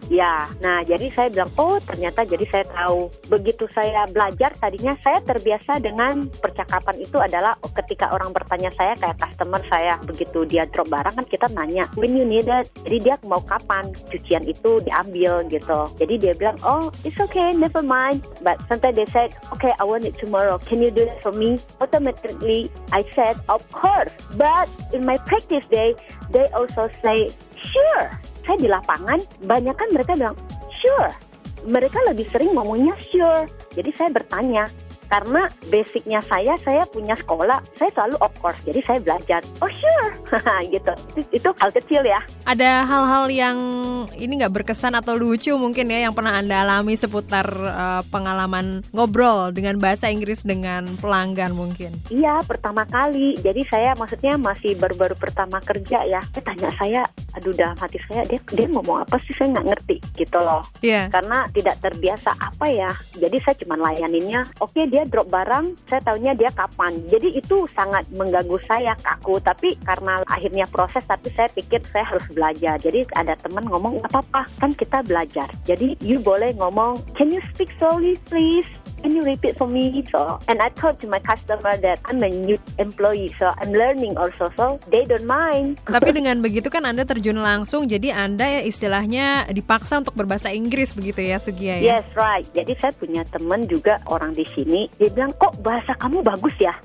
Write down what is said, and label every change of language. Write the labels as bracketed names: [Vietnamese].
[Indonesian] Ya, nah jadi saya bilang, oh ternyata jadi saya tahu. Begitu saya belajar, tadinya saya terbiasa dengan percakapan itu adalah ketika orang bertanya saya, kayak customer saya, begitu dia drop barang kan kita nanya, [English] when you need it, [Indonesian] jadi dia mau kapan cucian itu diambil gitu. Jadi dia bilang, [English] oh it's okay, never mind. But sometimes they said, okay I want it tomorrow, can you do it for me? Automatically I said, of course. But in my practice day, they also say, sure. [Indonesian] Saya di lapangan, banyak kan mereka bilang, sure. Mereka lebih sering ngomongnya sure. Jadi saya bertanya, karena basicnya saya punya sekolah, saya selalu [English] of course, [Indonesian] jadi saya belajar, [English] oh sure, [Indonesian] gitu. Itu hal kecil ya. Ada hal-hal yang ini gak berkesan atau lucu mungkin ya, yang pernah Anda alami seputar pengalaman ngobrol dengan bahasa Inggris dengan pelanggan mungkin? Iya, pertama kali. Jadi saya maksudnya masih baru-baru pertama kerja ya. Dia tanya saya, aduh dalam hati saya, dia ngomong apa sih, saya gak ngerti gitu loh. [English] Yeah. [Indonesian] Karena tidak terbiasa apa ya. Jadi saya cuma layaninnya, oke. Okay, dia drop barang, saya taunya dia kapan. Jadi itu sangat mengganggu saya, kaku. Tapi karena akhirnya proses, tapi saya pikir saya harus belajar. Jadi ada teman ngomong, gak apa-apa, kan kita belajar. Jadi [English] you [Indonesian] boleh ngomong, [English] can you speak slowly please? Can you repeat for me? So, and I told to my customer that I'm a new employee, so I'm learning also, so they don't mind. [Indonesian] Tapi dengan begitu kan Anda terjun langsung, jadi Anda ya istilahnya dipaksa untuk berbahasa Inggris begitu ya Sugia ya? [English] Yes, right. [Indonesian] Jadi saya punya teman juga orang di sini, dia bilang, kok bahasa kamu bagus ya?